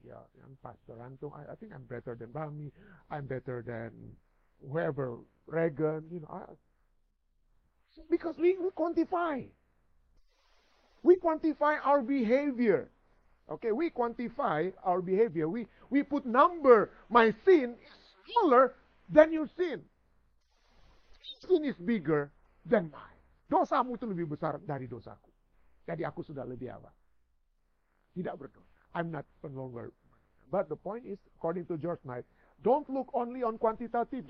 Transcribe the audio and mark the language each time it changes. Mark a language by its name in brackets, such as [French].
[English] Yeah, I'm Pastor Antung. I think I'm better than Brahmi. I'm better than whoever, Reagan, you know. Because we quantify our behavior. Okay, we quantify our behavior. We put number, my sin is smaller than your sin. Sin is bigger than mine. [Indonesian] Dosamu itu lebih besar dari dosaku. Jadi aku sudah lebih apa? Tidak berdosa. [English] I'm not no longer. But the point is, according to George Knight, don't look only on quantitative.